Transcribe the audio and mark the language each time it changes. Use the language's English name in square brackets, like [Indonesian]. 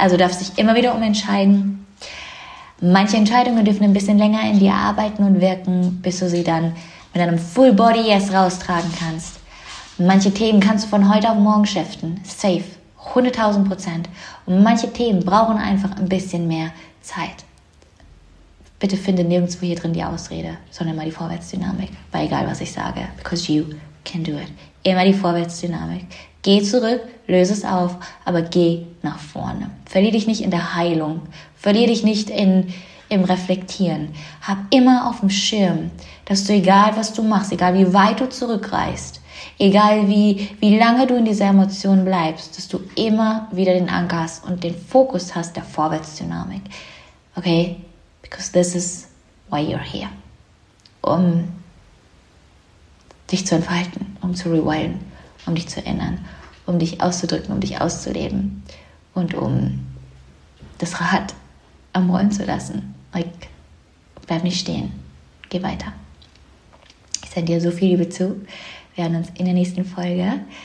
[German] Also du darfst dich immer wieder umentscheiden. Manche Entscheidungen dürfen ein bisschen länger in dir arbeiten und wirken, bis du sie dann mit einem Full Body Yes raustragen kannst. Manche Themen kannst du von heute auf morgen shiften. Safe. 100.000%. Und manche Themen brauchen einfach ein bisschen mehr Zeit. Bitte finde nirgendwo hier drin die Ausrede, sondern immer die Vorwärtsdynamik. Weil egal, was ich sage, [English] because you can do it. [German] Immer die Vorwärtsdynamik. Geh zurück, löse es auf, aber geh nach vorne. Verlier dich nicht in der Heilung. Verlier dich nicht im Reflektieren. Hab immer auf dem Schirm, dass du, egal was du machst, egal wie weit du zurückreist, egal wie lange du in dieser Emotion bleibst, dass du immer wieder den Anker hast und den Fokus hast der Vorwärtsdynamik. Okay? [English] Because this is why you're here. [German] Um dich zu entfalten, um zu rewilden, um dich zu erinnern, um dich auszudrücken, um dich auszuleben und um das Rad am Rollen zu lassen. Like, bleib nicht stehen. Geh weiter. Ich sende dir so viel Liebe zu. Wir hören uns in der nächsten Folge.